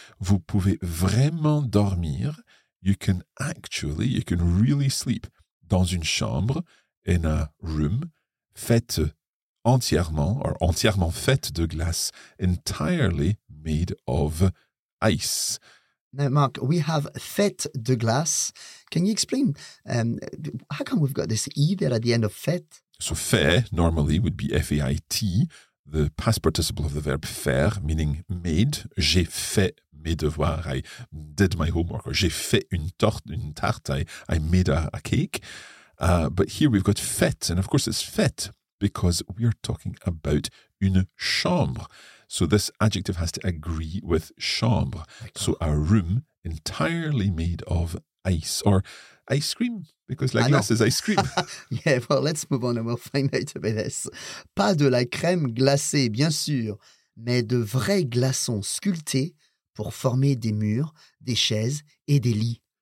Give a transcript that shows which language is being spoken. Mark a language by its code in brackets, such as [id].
[fr] Vous pouvez vraiment dormir, [en] you can really sleep, [fr] dans une chambre, [en] in a room, [fr] faite entièrement, or entièrement faite de glace, [en] entirely made of ice. Now, Mark, we have [fr] faite de glace. [en] Can you explain, how come we've got this E there at the end of faite? So, fait normally would be F-A-I-T, the past participle of the verb faire, meaning made. [fr] J'ai fait mes devoirs, [en] I did my homework. [fr] Or, j'ai fait une tarte, [en] I made a cake. But here we've got fait, and of course it's fait, because we are talking about une chambre. So, this adjective has to agree with chambre. So, a room entirely made of ice, or ice cream, because [fr] la glace [en] is ice cream. Yeah, well, let's move on and we'll find out about this. [fr] Pas de la crème glacée, bien sûr, mais de vrais glaçons sculptés pour former des murs, des chaises et des lits.